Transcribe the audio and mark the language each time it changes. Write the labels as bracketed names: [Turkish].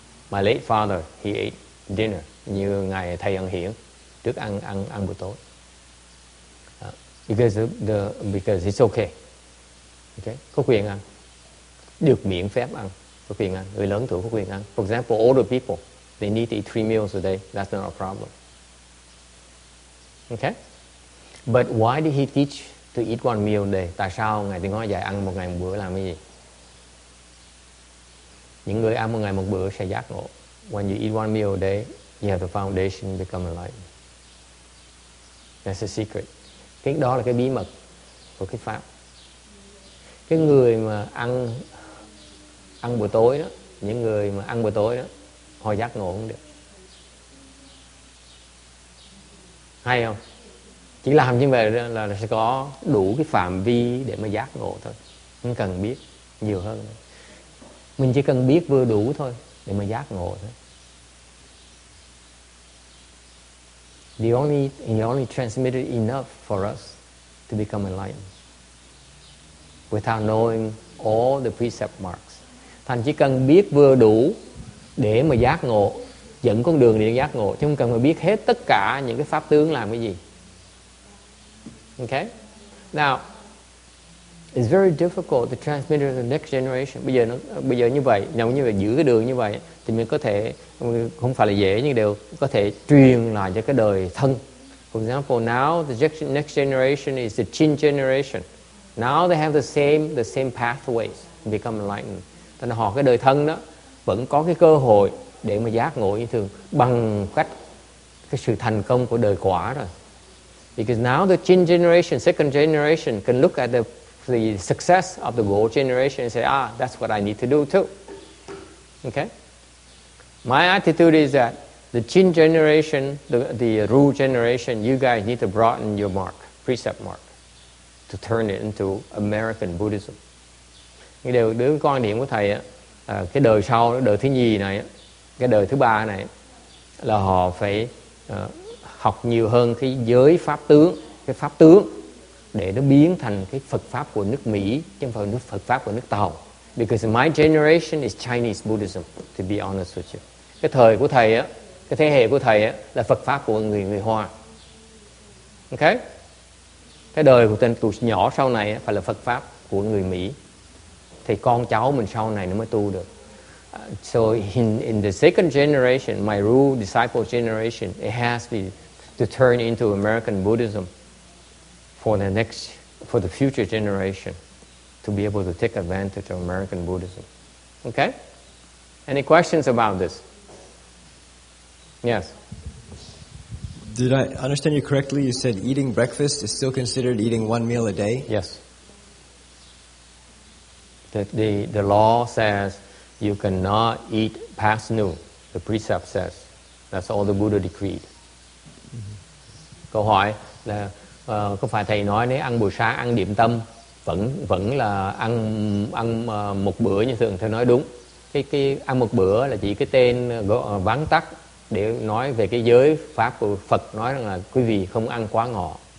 [English] My late father, he ate dinner. [Vietnamese] Như Ngài Thầy Ân Hiển, trước ăn buổi tối. [English] Because it's okay. Okay, [Vietnamese] có quyền ăn. Được miễn phép ăn, có quyền ăn. Người lớn tuổi có quyền ăn. [English] For example, older people, they need to eat three meals a day. That's not a problem. Okay? But why did he teach to eat one meal a day? [Vietnamese] Tại sao Ngài Tiến Hóa dạy ăn một ngày một bữa làm cái gì? Những người ăn một ngày một bữa sẽ giác ngộ. [English] When you eat one meal a day, you have the foundation to become enlightened. That's the secret. [Vietnamese] Cái đó là cái bí mật của cái pháp. Cái người mà ăn buổi tối đó, những người mà ăn buổi tối đó, họ giác ngộ không được. Hay không? Chỉ làm như vậy là sẽ có đủ cái phạm vi để mà giác ngộ thôi. Không cần biết nhiều hơn. Mình chỉ cần biết vừa đủ thôi để mà giác ngộ thôi. [English] He only transmitted enough for us to become enlightened without knowing all the precept marks. [Vietnamese] Thành chỉ cần biết vừa đủ để mà giác ngộ, dẫn con đường để giác ngộ, chứ không cần phải biết hết tất cả những cái pháp tướng làm cái gì. [English] Okay? Now, it's very difficult to transmit to the next generation. [Vietnamese] Bây giờ như vậy, nhau như vậy, giữ cái đường như vậy, thì mình có thể, không phải là dễ, nhưng đều có thể truyền lại cho cái đời thân. [English] For example, now the next generation is the Chin generation. Now they have the same pathways to become enlightened. [Vietnamese] Thế nên họ cái đời thân đó vẫn có cái cơ hội để mà giác ngộ như thường bằng cách cái sự thành công của đời quả rồi. [English] Because now the Chin generation, second generation can look at the success of the gold generation and say, ah, that's what I need to do too. Okay? My attitude is that the Chin generation, the Ru generation, you guys need to broaden your mark, precept mark, to turn it into American Buddhism. [Vietnamese] Điều đứng quan điểm của thầy á, cái đời sau, đời thứ nhì này, cái đời thứ ba này, là họ phải học nhiều hơn cái giới pháp tướng, cái pháp tướng, để nó biến thành cái Phật pháp của nước Mỹ, chứ không phải Phật pháp của nước Tàu. [English] Because my generation is Chinese Buddhism, to be honest with you. [Vietnamese] Cái thời của thầy á, cái thế hệ của thầy á, là Phật pháp của người Hoa. Ok? Cái đời của tên tụi nhỏ sau này á, phải là Phật pháp của người Mỹ. Thì con cháu mình sau này nó mới tu được. [English] So in the second generation, my Ru disciple generation, it has to turn into American Buddhism for the future generation to be able to take advantage of American Buddhism. Okay? Any questions about this? Yes. Did I understand you correctly? You said eating breakfast is still considered eating one meal a day? Yes. The law says you cannot eat past noon. The precept says that's all the Buddha decreed. Mm-hmm. [Vietnamese] Câu hỏi là có phải thầy nói nếu ăn buổi sáng ăn điểm tâm vẫn là ăn một bữa như thường? Thầy nói đúng. Cái ăn một bữa là chỉ cái tên vắn tắt để nói về cái giới pháp của Phật, nói rằng là quý vị không ăn quá ngọ.